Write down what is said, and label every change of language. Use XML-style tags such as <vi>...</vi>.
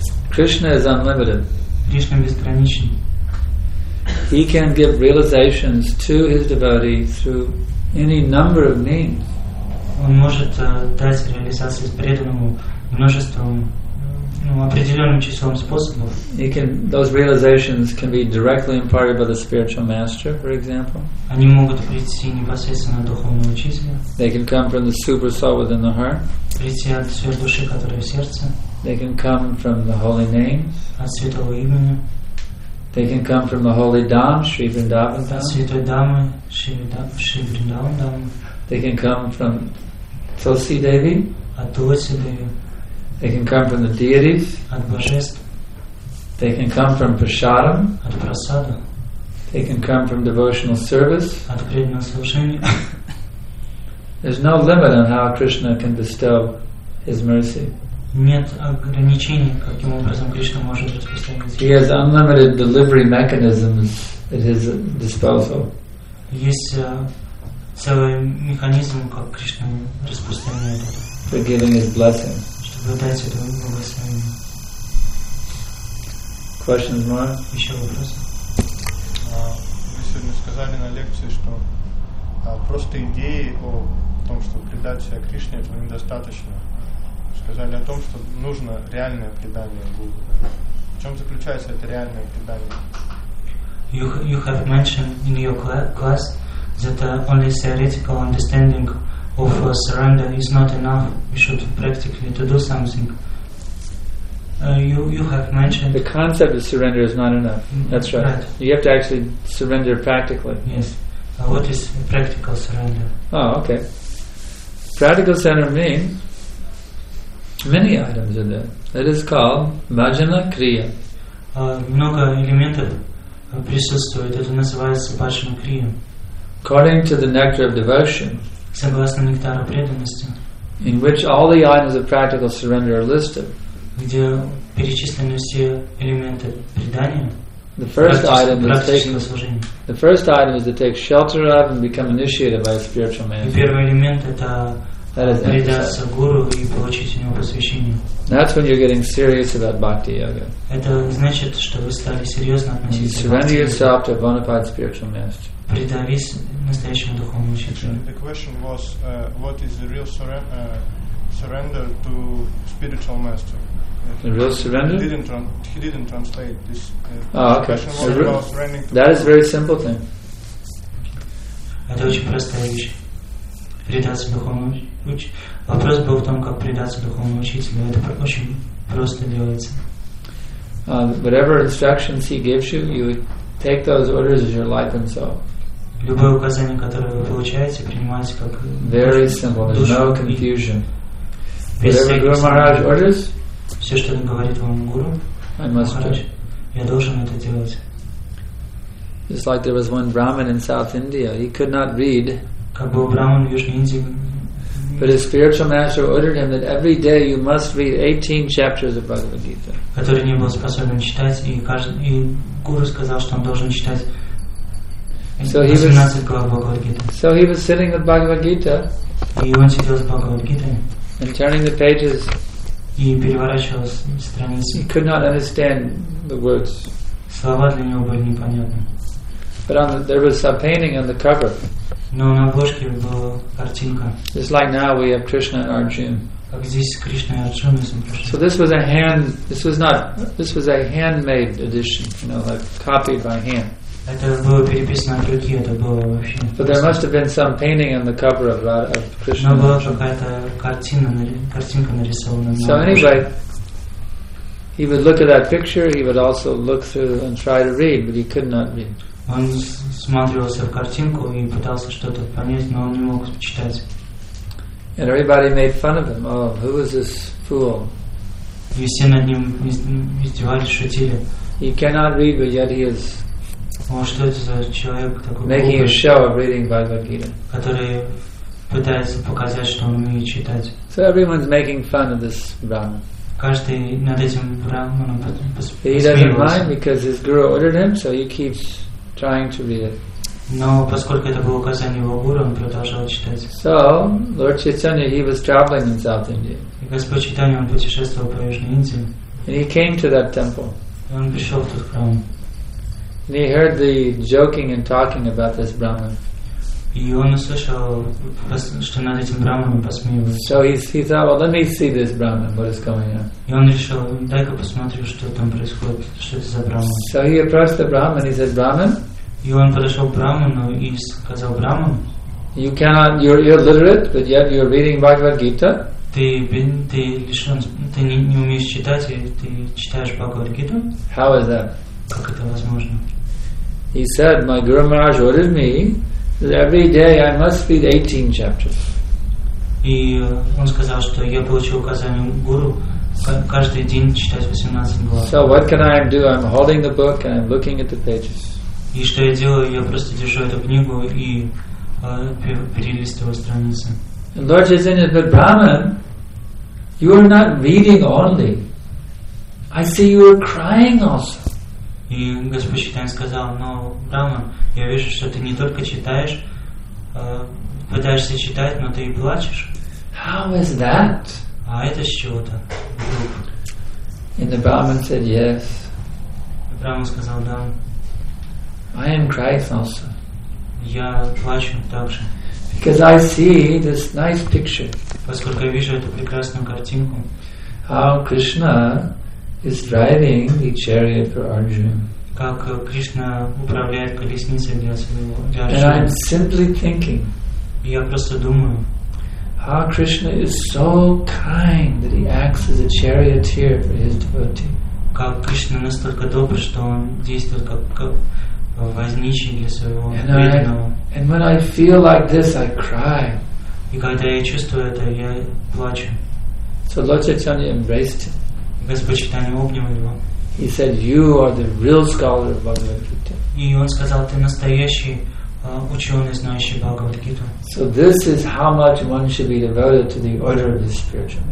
<en>Krishna is unlimited.</en> <ru>Кришна безграничен.</ru> <en>He can give realizations to his devotee through any number of means.</en> <ru>Он может дать реализации преданному множеством, определенным числом способов.</ru> <en>Those realizations can be directly imparted by the spiritual master, for example.</en> <ru>Они могут прийти непосредственно от духовного учителя.</ru> <en>They can come from the super soul within the heart.</en> <ru>Прийти от сверхдуши, которая в сердце.</ru> <en>They can come from the holy name.</en> <ru>От святого имени.</ru> <en>They can come from the holy Dham, Sri Vrindavan Dham.</en> <ru>Святой Дамы, Шри Вриндаван Дам.</ru> <en>They can come from Tulsi Devi.</en> <ru>От Тулси Деви.</ru> <en>They can come from the deities.</en> <ru>От божеств.</ru> <en>They can come from Prasadam.</en> <ru>От Прасада.</ru> <en>They can come from devotional service.</en> <ru>От преданного служения.</ru> <en>There's no limit on how Krishna can bestow his mercy.</en> <ru>Нет ограничений, каким образом Кришна может распространить.</ru> <en>He has unlimited delivery mechanisms at his disposal.</en> <ru>Есть целый механизм, как Кришна распространяет.</ru> <en>For giving his blessing.</en> <ru>Чтобы дать это благословение.</ru> <en>Questions more?</en> <ru>Еще вопросы? Вы сегодня сказали на лекции, что просто идеи о том, что предать себя Кришне, этого недостаточно. Сказали о том, что нужно реальное предание Богу. В чем заключается это реальное предание?</ru> <en>You have mentioned in your class that only theoretical understanding of surrender is not enough. We should practically to do something. You have mentioned the concept of surrender is not enough. That's right. Right. You have to actually surrender practically. Yes. What is practical surrender? Oh, okay. Practical surrender means many items are there. That is called bhajana kriya.</en> <ru>Много элементов присутствует. Это называется bhajana kriya.</ru> <en>According to the nectar of devotion,</en> <ru>согласно нектару преданности,</ru> <en>in which all the items of practical surrender are listed,</en> <ru>где перечислены все элементы предания,</ru> <en>The first item is to take shelter of and become initiated by a spiritual man.</en> <ru>Первый элемент это предаться гуру и получить у него посвящение.</ru> <en>That's when you're getting serious about bhakti yoga.</en> <ru>Это значит, что вы стали серьезно относиться к бхакти.</ru> <en>Surrender yourself to a bona fide spiritual master.</en> <ru>Предавись настоящему духовному учителю.</ru> <en>The question was, what is the real surrender to spiritual master? The real surrender? He didn't translate this. Okay. The question was about surrendering. That is a very simple thing.</en> <ru>Это очень простая вещь. Предаться духовному учителю. Вопрос был в том, как предаться духовному учителю. Это очень просто делается.</ru> <en>Whatever instructions he gives you, you take those orders as your life and soul.</en> <ru>Любое указание, которое вы получаете, принимаете как</ru> <en>very simple. There's no confusion. Whatever Guru Maharaj orders,</en> <ru>все, что он говорит вам гуру,</ru> <en>I must do.</en> <ru>Я должен это делать.</ru> <en>It's like there was one Brahmin in South India. He could not read.</en> <ru>Как был Брахман в Южной Индии.</ru> <en>But his spiritual master ordered him that every day you must read 18 chapters of Bhagavad Gita.</en> <ru>Который не был способен читать, и каждый, и гуру сказал, что он должен читать.</ru> <en>So he was sitting with Bhagavad Gita.</en> <ru>И он сидел с Бхагавад Гитой.</ru> <en>And turning the pages.</en> <ru>И переворачивал страницы.</ru> <en>He could not understand the words.</en> <ru>Слова для него были непонятны.</ru> <en>But on the, there was a painting on the cover.</en> <ru>Но на обложке была картинка.</ru> <en>It's like now we have Krishna and Arjuna.</en> <ru>Как здесь Кришна и Арджуна.</ru> <en>So this was a hand. This was not. This was a handmade edition. You know, like copied by hand.</en> <ru>Это было переписано от руки, это было вообще.</ru> <en>But there must have been some painting on the cover of Krishna.</en> <ru>Но была какая-то картинка нарисована.</ru> <en>So anyway, he would look at that picture. He would also look through and try to read, but he could not read.</en> <ru>Он смотрелся в картинку и пытался что-то понять, но он не мог читать.</ru> <en>And everybody made fun of him. Oh, who is this fool?</en> <ru>И все над ним издевались, шутили.</ru> <en>He cannot read, but yet he is.</en> <ru>Он что это за человек такой?</ru> <en>Making a show of reading Bhagavad Gita.</en> <ru>Который пытается показать, что он умеет читать.</ru> <en>So everyone's making fun of this Brahman.</en> <ru>Каждый над этим Брахманом посмеялся.</ru> <en>He doesn't mind because his guru ordered him, so he keeps trying to read it.</en> <ru>Но поскольку это было указание его гуру, он продолжал читать.</ru> <en>So Lord Chaitanya, he was traveling in South India.</en> <ru>И Господь Чайтанья, он путешествовал по Южной Индии.</ru> <en>And he came to that temple.</en> <ru>И он пришел в тот храм.</ru> <en>And he heard the joking and talking about this Brahman.</en> <ru>И он услышал, что над этим Брахманом посмеивались.</ru> <en>So he thought, well, let me see this Brahman, what is going on.</en> <ru>И он решил, дай-ка посмотрю, что там происходит, что это за Брахман.</ru> <en>So he approached the Brahman, he said, Brahman.</en> <ru>И он подошел к Брахману и сказал, Брахман.</ru> <en>You cannot, you're literate, but yet you're reading Bhagavad Gita.</en> <ru>Ты лишен, ты не умеешь читать, и ты читаешь Бхагавад Гиту.</ru> <en>How is that?</en> <ru>Как это возможно?</ru> <en>He said, my Guru Maharaj ordered me that every day I must read 18 chapters.</en> <ru>И он сказал, что я получил указание гуру каждый день читать 18 глав.</ru> <en>So what can I do? I'm holding the book and I'm looking at the pages.</en> <ru>И что я делаю? Я просто держу эту книгу и перелистываю страницы.</ru> <en>And Lord Chaitanya said, Brahman, you are not reading only. I see you are crying also.</en> <ru>И Господь Чайтанья сказал, но, Брахман, я вижу, что ты не только читаешь, пытаешься читать, но ты и плачешь.</ru> <en>How is that?</en> <ru>А это с чего-то?</ru> <en>And the Brahman said, yes.</en> <ru>И Брахман сказал, да.</ru> <en>I am crying also.</en> <ru>Я плачу также.</ru> <en>Because I see this nice picture.</en> <ru>Поскольку я вижу эту прекрасную картинку.</ru> <en>How Krishna is driving the chariot for Arjuna.</en> <ru>Как Кришна управляет колесницей для своего Арджуны.</ru> <en>And I'm simply thinking.</en> <ru>Я просто думаю.</ru> <en>How Krishna is so kind that he acts as a charioteer for his devotee.</en> <ru>Как Кришна настолько добр, что он действует как возничий для своего преданного.</ru> <en>And when I feel like this, I cry.</en> <ru>И когда я чувствую это, я плачу.</ru> <en>So Lord Chaitanya embraced him.</en> <ru>Господь Чайтанья обнял его.</ru> <en>He said, "You are the real scholar of Bhagavad Gita."</en> <ru>И он сказал, ты настоящий ученый, знающий Бхагавад Гиту.</ru> <en>So this is how much one should be devoted to the order of the spiritual.</en>